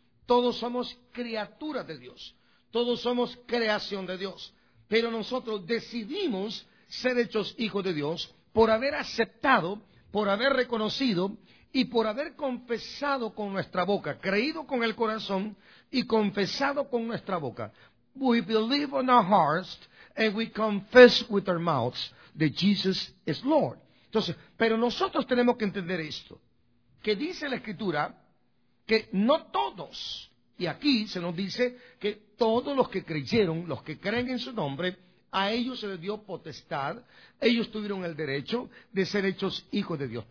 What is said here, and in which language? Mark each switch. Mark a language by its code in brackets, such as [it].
[es] Todos somos criaturas de Dios. Todos somos creación de Dios. Pero nosotros decidimos ser hechos hijos de Dios por haber aceptado, por haber reconocido y por haber confesado con nuestra boca, creído con el corazón y confesado con nuestra boca. [en] We believe in our hearts and we confess with our mouths that Jesus is Lord. [es] Entonces, pero nosotros tenemos que entender esto, que dice la Escritura que no todos, y aquí se nos dice que todos los que creyeron, los que creen en su nombre, a ellos se les dio potestad, ellos tuvieron el derecho de ser hechos hijos de Dios.